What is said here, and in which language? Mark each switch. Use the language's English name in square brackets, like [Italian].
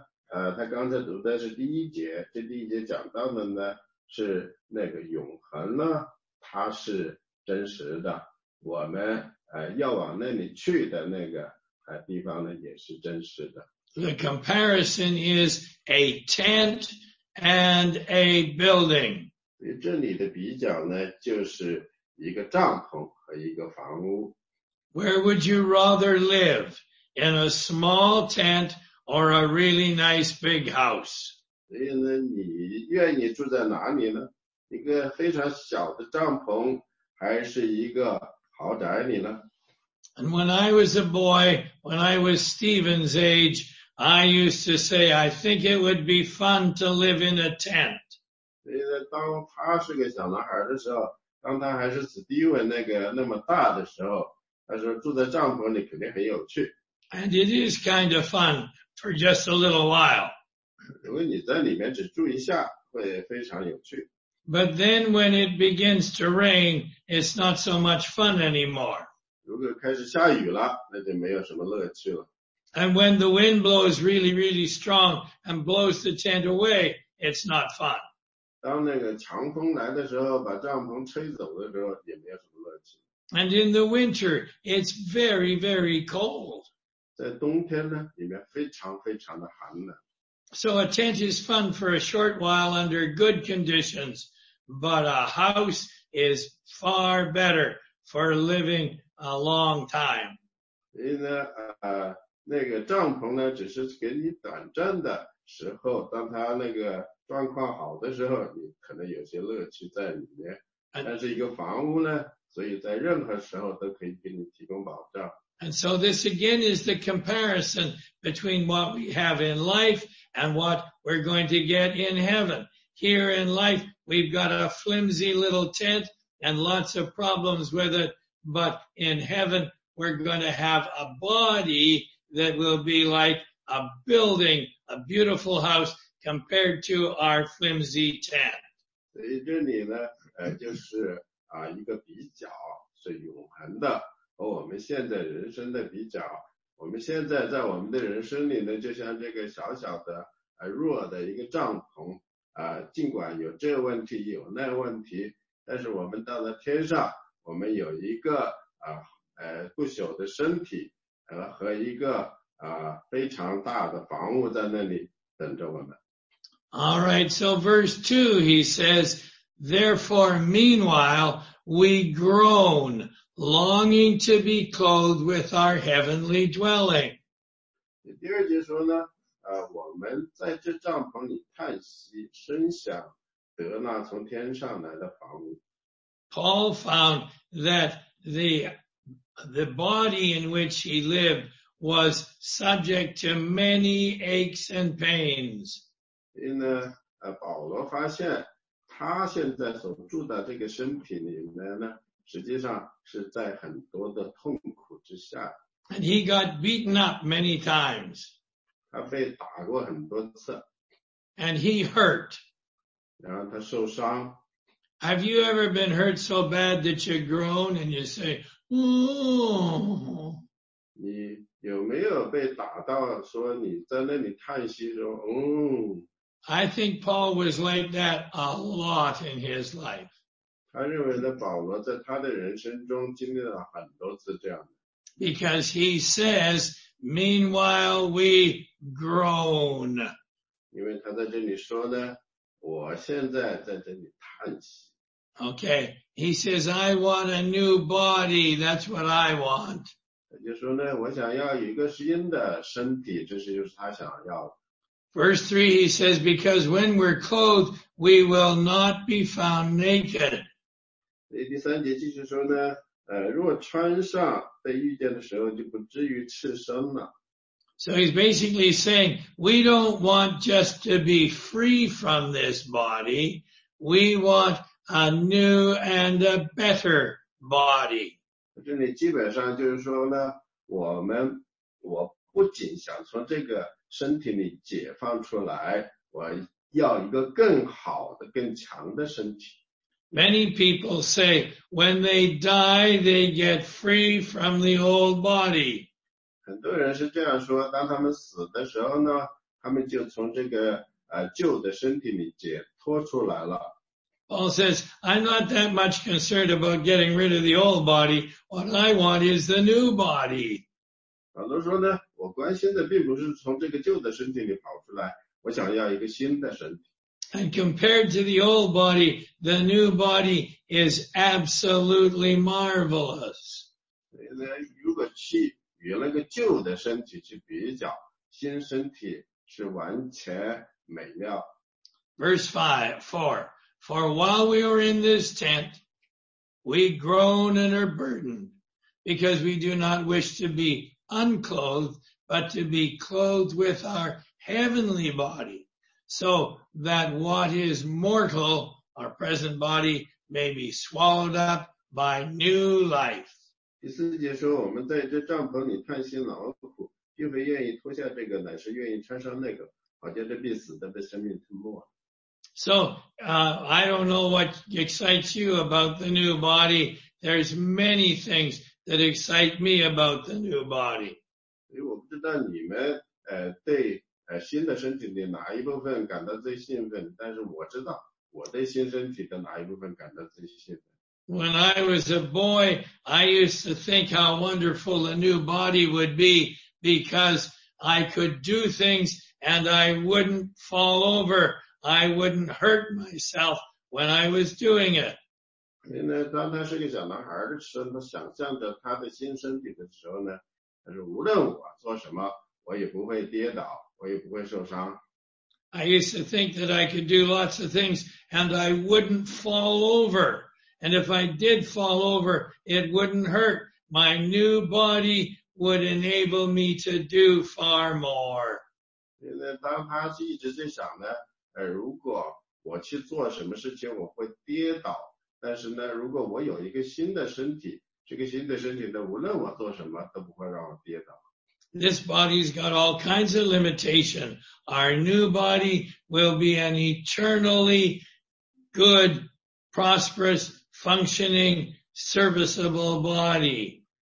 [Chinese] 他刚才读的是第一节，这第一节讲到的呢是那个永恒呢，它是真实的，我们要往那里去的那个地方呢也是真实的。 [English] The comparison is a tent and a building. [Chinese] 这里的比较呢就是一个帐篷和一个房屋。 [English] Where would you rather live? In a small tent? Or a really nice big house. [Chinese] 所以呢，你愿意住在哪里呢？一个非常小的帐篷，还是一个豪宅里呢？ [English] And when I was a boy, when I was Stephen's age, I used to say, I think it would be fun to live in a tent. [Chinese] 所以呢，当他是个小男孩的时候，当他还是 Stephen 那个那么大的时候，他说住在帐篷里肯定很有趣。 [English] And it is kind of fun. For just a little while. [Chinese] 如果你在里面只住一下，会非常有趣。 [English] But then when it begins to rain, it's not so much fun anymore. [Chinese] 如果开始下雨了，那就没有什么乐趣了。 [English] And when the wind blows really, really strong and blows the tent away, it's not fun. [Chinese] 当那个强风来的时候，把帐篷吹走的时候，也没有什么乐趣。 [English] And in the winter, it's very, very cold. [Chinese] 在冬天呢，里面非常非常的寒冷。 [English] So a tent is fun for a short while under good conditions, but a house is far better for living a long time. [Chinese] 所以呢，那个帐篷呢，只是给你短暂的时候，当它那个状况好的时候，你可能有些乐趣在里面。但是一个房屋呢，所以在任何时候都可以给你提供保障。 [English] And so this again is the comparison between what we have in life and what we're going to get in heaven. Here in life, we've got a flimsy little tent and lots of problems with it. But in heaven, we're going to have a body that will be like a building, a beautiful house compared to our flimsy tent. [Chinese] 所以这里呢，就是一个比较是永恒的。和我们现在人生的比较，我们现在在我们的人生里呢，就像这个小小的弱的一个帐篷尽管有这问题有那问题，但是我们到了天上，我们有一个不朽的身体和一个非常大的房屋在那里等着我们。 [English] All right, so verse 2, he says, therefore, meanwhile, we groan. Longing to be clothed with our heavenly dwelling. [Chinese] 第二节说呢，我们在这帐篷里叹息，深想得那从天上来的房屋。 [English] Paul found that the body in which he lived was subject to many aches and pains. [Chinese] 因为呢，保罗发现他现在所住的这个身体里面呢。实际上是在很多的痛苦之下。 [English] And he got beaten up many times. [Chinese] 他被打过很多次。 [English] And he hurt. [Chinese] 然后他受伤。 [English] Have you ever been hurt so bad that you groan and you say, ooh? [Chinese] 你有没有被打到说你在那里叹息说，嗯。 [English] I think Paul was like that a lot in his life. [Chinese] 他认为呢，保罗在他的人生中经历了很多次这样的。 [English] Because he says, meanwhile we groan. [Chinese] 因为他在这里说呢，我现在在这里叹息。 [English] Okay, he says, I want a new body, that's what I want. [Chinese] 就说呢，我想要有一个新的身体，这是就是他想要的。 [English] Verse 3, he says, because when we're clothed, we will not be found naked. [Chinese] 第三节继续说呢，若穿上，被遇见的时候就不至于赤身了。 [English] So he's basically saying, we don't want just to be free from this body, we want a new and a better body. [Chinese] 这里基本上就是说呢，我不仅想从这个身体里解放出来，我要一个更好的、更强的身体。 [English] Many people say when they die, they get free from the old body. [Chinese] 很多人是这样说，当他们死的时候呢，他们就从这个旧的身体里解脱出来了。 [English] Paul says, I'm not that much concerned about getting rid of the old body. What I want is the new body. [Chinese] 保罗说呢，我关心的并不是从这个旧的身体里跑出来，我想要一个新的身体。 [English] And compared to the old body, the new body is absolutely marvelous. [Chinese] 如果去与那个旧的身体去比较，新身体是完全美妙。 [English] Verse 4. For while we were in this tent, we groan and are burdened, because we do not wish to be unclothed, but to be clothed with our heavenly body, so that what is mortal, our present body, may be swallowed up by new life. [Chinese] 第四节说，我们在这帐篷里叹息劳苦，并非愿意脱下这个，乃是愿意穿上那个，好叫这必死的被生命吞没。 [English] So, I don't know what excites you about the new body. There's many things that excite me about the new body. [Chinese] 所以我不知道你们对新的身体的哪一部分感到最兴奋，但是我知道我对新身体的哪一部分感到最兴奋。 [English] When I was a boy, I used to think how wonderful a new body would be because I could do things and I wouldn't fall over. I wouldn't hurt myself when I was doing it. [Chinese] 因为当他是个小男孩的时候，他想象着他的新身体的时候呢，他说无论我做什么，我也不会跌倒，我也不会受伤。 [English] I used to think that I could do lots of things and I wouldn't fall over. And if I did fall over, it wouldn't hurt. My new body would enable me to do far more. [Chinese] 因为当他是一直在想呢，如果我去做什么事情我会跌倒，但是呢，如果我有一个新的身体，这个新的身体呢，无论我做什么都不会让我跌倒。 [English] This body's got all kinds of limitation. Our new body will be an eternally good, prosperous, functioning, serviceable body.